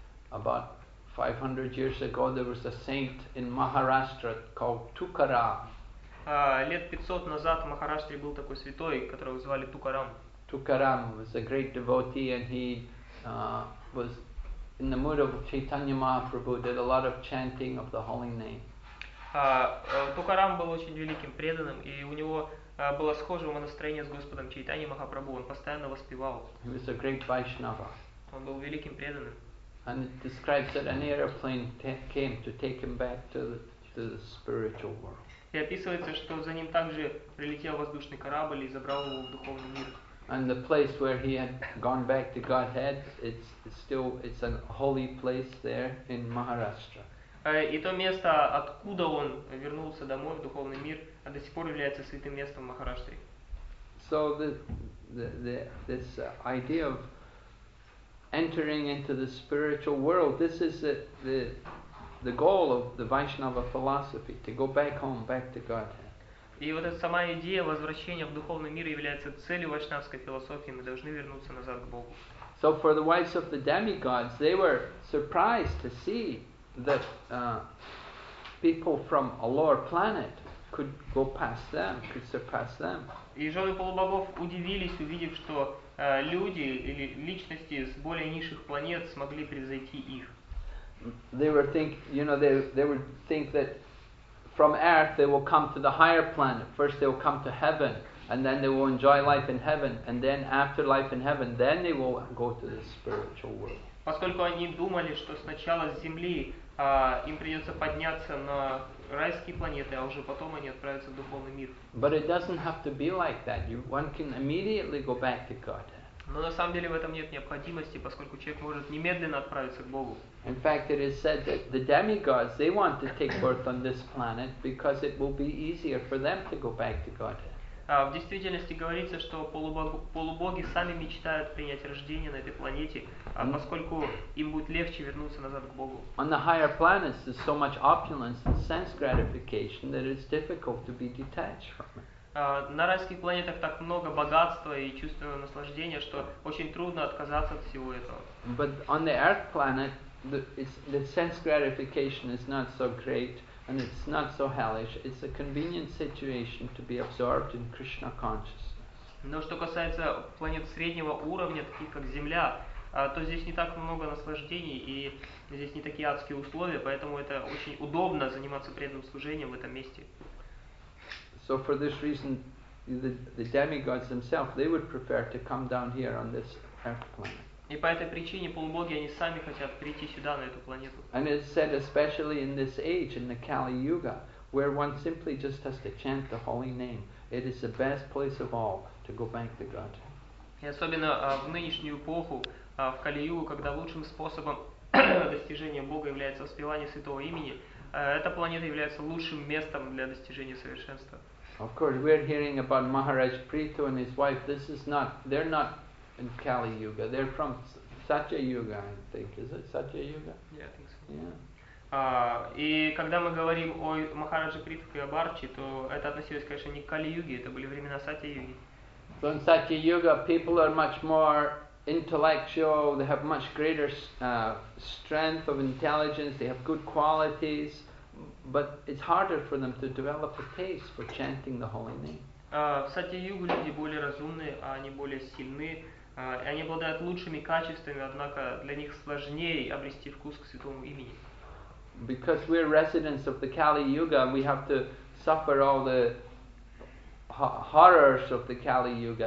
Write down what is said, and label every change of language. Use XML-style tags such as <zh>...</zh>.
<en>About 500 years ago there was a saint in Maharashtra called Tukaram.</en> <ru>Лет 500 назад в Махараштре был такой святой, которого звали Тукарам.</ru> <en>Tukaram was a great devotee and he was in the mood of Chaitanya Mahaprabhu, did a lot of chanting of the holy name.</en> <ru>Tukaram был очень великим преданным, и у него было схожее настроение с Господом Чайтанья Махапрабху. Он постоянно воспевал.</ru> <en>He was a great Vaishnava.</en> <ru>Он был великим преданным.</ru> <en>And it describes that an airplane came to take him back to the spiritual world.</en> <ru>И описывается, что за ним также прилетел воздушный корабль и забрал его в духовный мир.</ru> <en>And the place where he had gone back to Godhead, it's a holy place there in Maharashtra.</en> <ru>И то место, откуда он вернулся домой в духовный мир, до сих пор является святым местом в Махараштре.</ru> <en>So this idea of entering into the spiritual world, this is the goal of the Vaishnava philosophy, to go back home, back to Godhead.</en> <ru>И вот эта сама идея возвращения в духовный мир является целью вайшнавской философии. Мы должны вернуться назад к Богу.</ru> <en>So for the wives of the demigods, they were surprised to see that people from a lower planet could go past them, could surpass them.</en> <ru>И жены полубогов удивились, увидев, что люди или личности с более низших планет смогли превзойти их.</ru> <en>They would think that from Earth, they will come to the higher planet. First, they will come to heaven, and then they will enjoy life in heaven. And then, after life in heaven, then they will go to the spiritual world.</en> <ru>Поскольку они думали, что сначала с Земли им придется подняться на райские планеты, а уже потом они отправятся в духовный мир.</ru> <en>But it doesn't have to be like that. One can immediately go back to God.</en> <ru>Но на самом деле в этом нет необходимости, поскольку человек может немедленно отправиться к Богу.</ru> <en>In fact, it is said that the demigods, they want to take birth on this planet because it will be easier for them to go back to Godhead.</en> <ru>В действительности говорится, что полубоги сами мечтают принять рождение на этой планете, поскольку им будет легче вернуться назад к Богу.</ru> <en>On the higher planets there's so much opulence and sense gratification that it's difficult to be detached from it.</en> <ru>На райских планетах так много богатства и чувственного наслаждения, что очень трудно отказаться от всего этого.</ru> <en>But on the earth planet the sense gratification is not so great. And it's not so hellish. It's a convenient situation to be absorbed in Krishna consciousness.</en> <ru>Но что касается планет среднего уровня, таких как Земля, то здесь не так много наслаждений и здесь не такие адские условия, поэтому это очень удобно заниматься преданным служением в этом месте.</ru> <en>So for this reason, the demigods themselves, they would prefer to come down here on this earth planet.</en> <ru>И по этой причине полубоги, они сами хотят прийти сюда, на эту планету.</ru> <en>And it's said especially in this age, in the Kali Yuga, where one simply just has to chant the holy name. It is the best place of all to go back to God.</en> <ru>И особенно в нынешнюю эпоху, в Кали-Югу, когда лучшим способом достижения Бога является воспевание Святого Имени, эта планета является лучшим местом для достижения совершенства.</ru> <en>Of course, we're hearing about Maharaj Prithu and his wife. This is not, they're not in Kali Yuga. They're from Satya Yuga, I think. Is it Satya Yuga? Yeah, I think so. Yeah.</en> <ru>И когда мы говорим о Махараджи Притху и Абарчи, то это относилось, конечно, не к Кали Юге, это были времена Сатья Юги.</ru> <en>So in Satya Yuga, people are much more intellectual, they have much greater strength of intelligence, they have good qualities, but it's harder for them to develop a taste for chanting the holy name.</en> <ru>В Сатья Югу люди более разумные, они более сильны, и они обладают лучшими качествами, однако для них сложнее обрести вкус к Святому Имени.</ru> <en>Because we're residents of the Kali Yuga, we have to suffer all the horrors of the Kali Yuga.</en>